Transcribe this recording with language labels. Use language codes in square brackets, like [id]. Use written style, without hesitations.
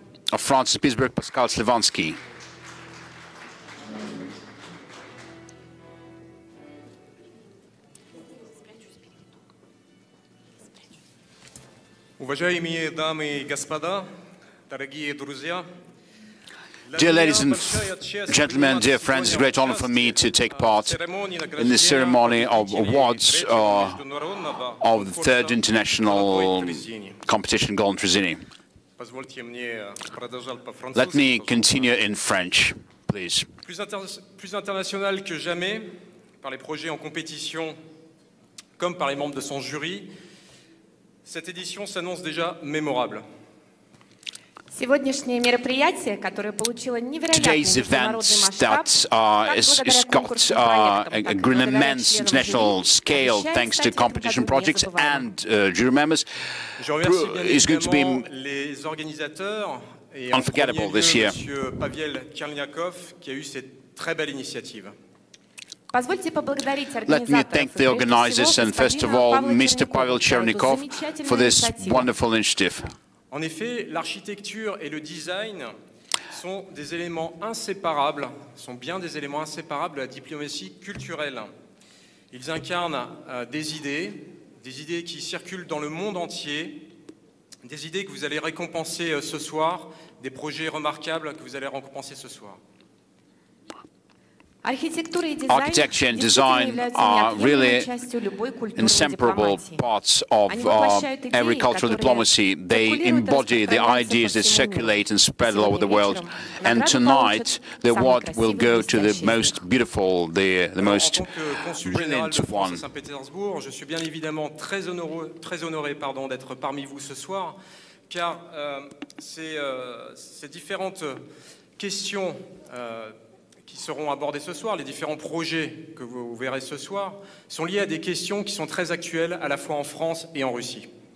[en] Of France, Petersburg, Pascal Slivansky. [ru] Уважаемые дамы и господа, дорогие друзья. [en] Dear ladies and gentlemen, dear friends, it's a great honor for me to take part in the ceremony of awards of the third international competition, Golden Trezzini. Let me continue in French, please. [fr] Plus international que jamais, par les projets en compétition, comme par les membres de son jury, cette édition s'annonce déjà mémorable. [ru] Сегодняшнее мероприятие, которое получило невероятный международный масштаб, как благодаря [en] international scale, thanks to competition projects and jury members, is going to be unforgettable this year. [fr] Павел Черняков, qui a eu cette très belle initiative. [ru] Позвольте поблагодарить организаторов. [en] Let me thank the organizers and first of all, Mr. Павел Черняков, for this wonderful initiative. [fr] En effet, l'architecture et le design sont des éléments inséparables, sont bien des éléments inséparables de la diplomatie culturelle. Ils incarnent des idées qui circulent dans le monde entier, des idées que vous allez récompenser ce soir, des projets remarquables que vous allez récompenser ce soir. [en] Architecture and design are really inseparable parts of every cultural diplomacy. They embody the ideas that circulate and spread all over the world. And tonight, the award will go to the most beautiful, the most brilliant one. [fr] Je suis bien évidemment très honoré, pardon, d'être parmi vous ce soir, car ces différentes questions qui seront abordés ce soir, les différents projets que vous verrez ce soir, sont liés à des questions qui sont très actuelles à la fois en France et en Russie.